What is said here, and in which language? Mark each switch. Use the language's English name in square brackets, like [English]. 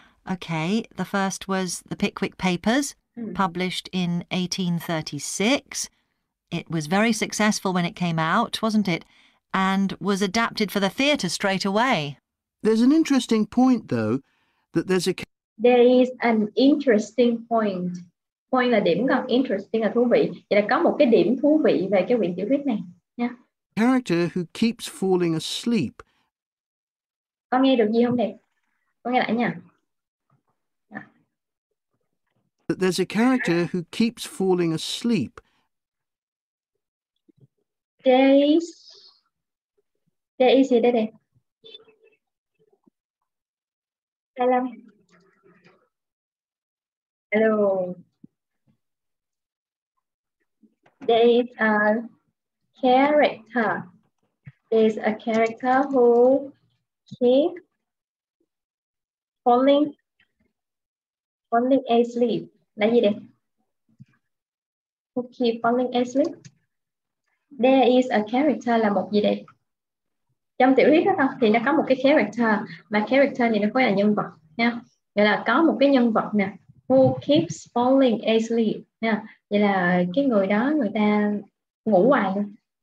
[English] Okay, the first was The Pickwick Papers, published in 1836. It was very successful when it came out, wasn't it? And was adapted for the theatre straight away. There's an interesting point, though, that there's a... There is an interesting point. [Vietnamese] Point là điểm, còn interesting là thú vị. Vậy là có một cái điểm thú vị về cái quyển tiểu thuyết này. [English] Yeah. Character who keeps falling asleep. [Vietnamese] Có nghe được gì không đây? Có nghe lại nha. [English] That there's a character who keeps falling asleep. There is [Vietnamese] gì đây đây? [English] Hello. There is a character. There is a character who keeps falling asleep. [Vietnamese] Là gì đây? [English] Who keep falling asleep? There is a character [Vietnamese] là một gì đây? Trong tiểu thuyết đó thì nó có một cái character, mà character thì nó có là nhân vật nha. Vậy là có một cái nhân vật nè, [English] who keeps falling asleep [Vietnamese] nha. Vậy là cái người đó, người ta ngủ hoài luôn.